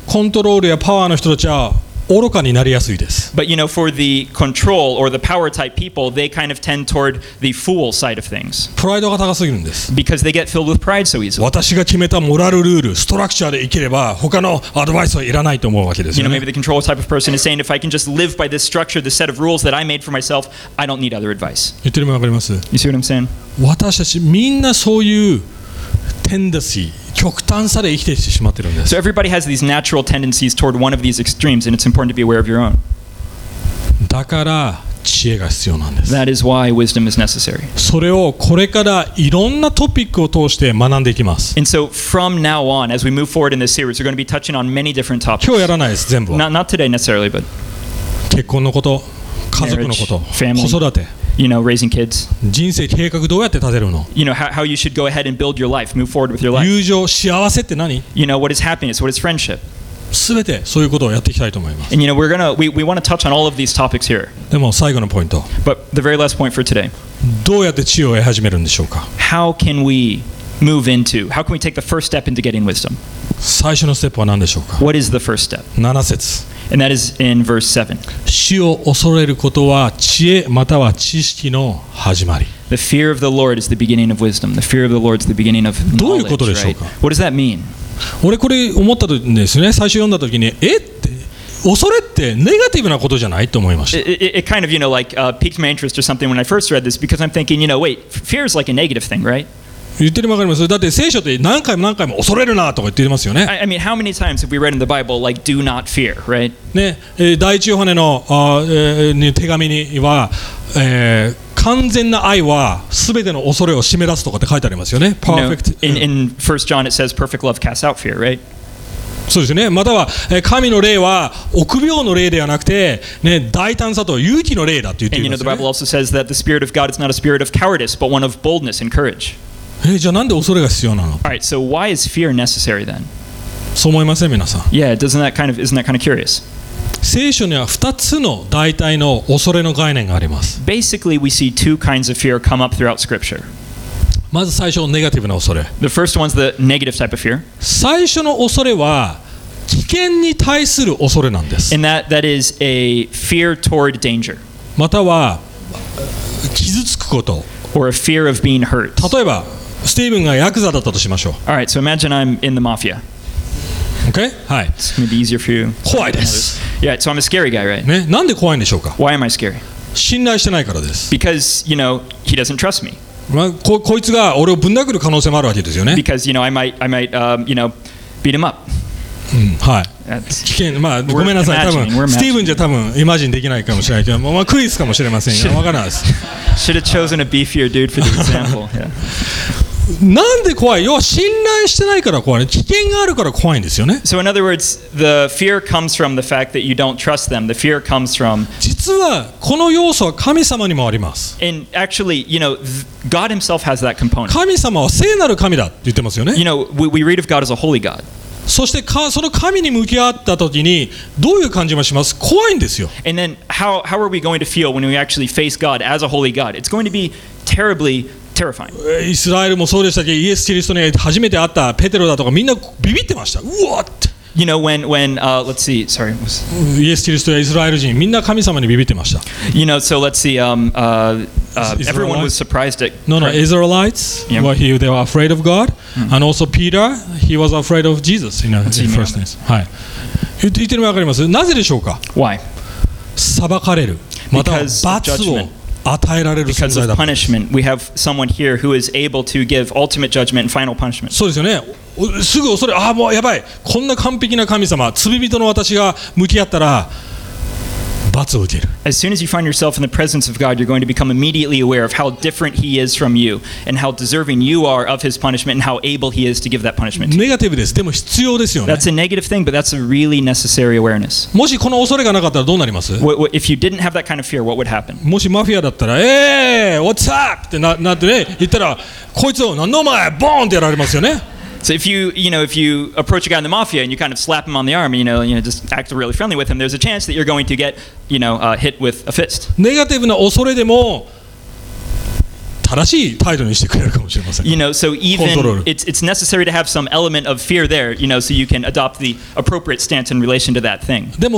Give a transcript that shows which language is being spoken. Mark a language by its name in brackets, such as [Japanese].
[Japanese] コントロールやパワーの人たちは愚かになりやすいです。 [English] But, you know, for the control or the power type people, they kind of tend toward the fool side of things. [Japanese] プライドが高すぎるんです。 [English] Because they get filled with pride so easily. [Japanese] 私が決めたモラルルール、ストラクチャーで生きれば他のアドバイスはいらないと思うわけですね。 [English] You know, maybe the control type of person is saying, if I can just live by this structure, this set of rules that I made for myself, I don't need other advice. [Japanese] 言ってるのわかります。 [English] You see what I'm saying? [Japanese] 私たちみんなそういうテンダシー、極端さで生きてしまってるんです。 [English] So everybody has these natural tendencies toward one of these extremes, and it's important to be aware of your own. [Japanese] だから知恵が必要なんです。 [English] That is why wisdom is necessary. [Japanese] それをこれからいろんなトピックを通して学んでいきます。 [English] And so from now on, as we move forward in this series, we're going to be touching on many different topics. [Japanese] 今日やらないです、全部。 [English] Not today necessarily, but [Japanese] 結婚のこと、家族のこと、 [English] family, [Japanese] 子育て。 [English] You know, raising kids. [Japanese] 人生計画どうやって立てるの? [English] You know, how you should go ahead and build your life, move forward with your life. [Japanese] 友情、幸せって何? [English] You know, what is happiness? What is friendship? [Japanese] 全てそういうことをやっていきたいと思います。 [English] And you know, we want to touch on all of these topics here. [Japanese] でも最後のポイント。 [English] But the very last point for today. [Japanese] どうやって知恵を得始めるんでしょうか? [English] How can we move into? How can we take the first step into getting wisdom? [Japanese] 最初のステップは何でしょうか? [English] What is the first step? [Japanese] 7節。 [English] And that is in verse 7. [Japanese] 死を恐れることは知恵または知識の始まり。 [English] The fear of the Lord is the beginning of wisdom. The fear of the Lord is the beginning of knowledge. [Japanese] どういうことでしょうか? [English] What does that mean? [Japanese] 俺これ思ったんですね。最初読んだ時に、え?恐れってネガティブなことじゃないと思いました。 [English] It kind of, you know, like, piqued my interest or something when I first read this because I'm thinking, you know, wait, fear is like a negative thing, right? [Japanese] 言ってるわかります。だって聖書って何回も何回も恐れるなとか言ってますよね。 [English] I mean, how many times have we read in the Bible like do not fear, right? [Japanese] ね、第一ヨハネの手紙には、完全な愛は全ての恐れを締め出すとかって書いてありますよね。 [English] Perfect. You know, in First John it says perfect love casts out fear, right? [Japanese] そうですね、または神の霊は臆病の霊ではなくて、ね、大胆さと勇気の霊だと言っていますよね。 [English] The Bible also says that the spirit of God is not a spirit of cowardice, but one of boldness and courage. [Japanese] じゃあなんで恐れが必要なの? [English] All right, so why is fear necessary then? [Japanese] そう思いません、皆さん? [English] Yeah, doesn't that kind of, isn't that kind of curious? [Japanese] 聖書には2つの大体の恐れの概念があります。 [English] Basically, we see two kinds of fear come up throughout scripture. [Japanese] まず最初のネガティブな恐れ。 [English] The first one's the negative type of fear. [Japanese] 最初の恐れは危険に対する恐れなんです。 [English] And that is a fear toward danger. [Japanese] または傷つくこと。 [English] Or a fear of being hurt. [Japanese] 例えばスティーブンがヤクザだったとしましょう。 [English] All right, so imagine I'm in the mafia. Okay? [Japanese] はい。 [English] It's gonna be easier for you. [Japanese] 怖いです。 [English] Yeah, so I'm a scary guy, right? [Japanese] ね、なんで怖いんでしょうか? [English] Why am I scary? [Japanese] 信頼してないからです。 [English] Because, you know, he doesn't trust me. [Japanese] まあ、こいつが俺をぶん殴る可能性もあるわけですよね。 [English] Because, you know, I might, you know, beat him up. [Japanese] うん、はい。危険、まあ、ごめんなさい、多分スティーブンじゃ多分イマジンできないかもしれないけど、まあ、クリスかもしれませんよ、分からないです。 [English] Should have chosen a beefier dude for the example. [Japanese] なんで怖い? 要は信頼してないから怖い。危険があるから怖いんですよね。 [English] So in other words, the fear comes from the fact that you don't trust them. The fear comes from... [Japanese] 実はこの要素は神様にもあります。 [English] And actually, you know, God himself has that component. [Japanese] 神様は聖なる神だって言ってますよね。 [English] You know, we read of God as a holy God. [Japanese] そしてその神に向き合ったときにどういう感じもします? 怖いんですよ。 [English] And then how are we going to feel when we actually face God as a holy God? It's going to be terribly terrifying. [Japanese] イスラエルもそうでしたけど、イエス・キリストに初めて会ったペテロだとかみんなビビってました。 [English] What? You know, when let's see, sorry. [Japanese] イエス・キリストやイスラエル人、みんな神様にビビってました。 [English] You know, so let's see, everyone was surprised at... No, Israelites, yeah. Well, they were afraid of God. Mm-hmm. And also Peter, he was afraid of Jesus, you know, in first place. [Japanese] はい。言ってるのわかります。なぜでしょうか? [English] Why? [Japanese] 裁かれる。また罰を与えられる存在だ。 [English] Because of punishment, we have someone here who is able to give ultimate judgment and final punishment. [Japanese] そうですよね。すぐ恐れ、ああもうやばい。こんな完璧な神様、罪人の私が向き合ったら、 [English] As soon as you find yourself in the presence of God, you're going to become immediately aware of how different he is from you and how deserving you are of his punishment and how able he is to give that punishment. [Japanese] ネガティブです。でも必要ですよね。 [English] That's a negative thing, but that's a really necessary awareness. [Japanese] もしこの恐れがなかったらどうなります? [English] If you didn't have that kind of fear, what would happen? [Japanese] もしマフィアだったら、ええ、 [English] what's up? [Japanese] ってなって、言ったら、こいつを何のお前、ボーンってやられますよね。 [English] So if you approach a guy in the mafia and you kind of slap him on the arm, you know just act really friendly with him, there's a chance that you're going to get hit with a fist. So even it's necessary to have some element of fear there, so you can adopt the appropriate stance in relation to that thing.